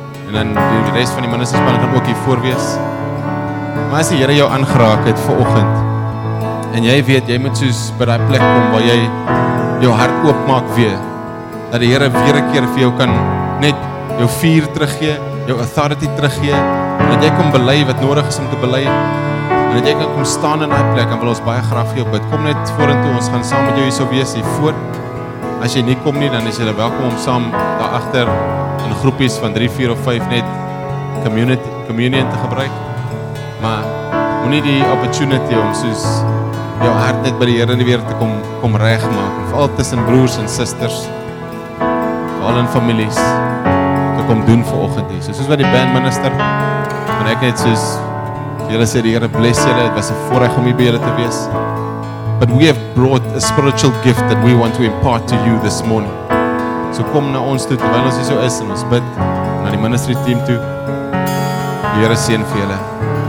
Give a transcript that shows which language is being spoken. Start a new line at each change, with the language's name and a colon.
Afrikaans: En dan die rest van die ministerspan kan ook hier voor wees. Maar as die Here jou aangeraak het vanoggend en jy weet jy moet soos by daai plek kom waar jy jou hart oopmaak weer dat die Here weer 'n keer vir jou kan net jou vuur teruggee, jou authority teruggee, dat jy kan bely wat nodig is om te bely. En dat jy kan kom staan in daai plek en wil ons baie graag vir jou bid. Kom net vorentoe, ons gaan saam met jou hierso wees hier voor. As jy nie kom nie, dan is jy welkom om saam daar agter in groepies van 3, 4 of 5 net communion te gebruik. Maar moenie die opportunity om soos jou hart net by die Here weer te kom regmaak, veral tussen broers en susters, veral in families, te kom doen vanoggend hier. Soos wat die band minister, en ek net soos julle sê die Here bless julle, dit was 'n voorreg om hier by julle te wees.
English: But we have brought a spiritual gift that we want to impart to you this morning.
Afrikaans: So kom na ons toe terwyl ons hier so is en ons bid na die ministry team toe. Die Here seën vir julle.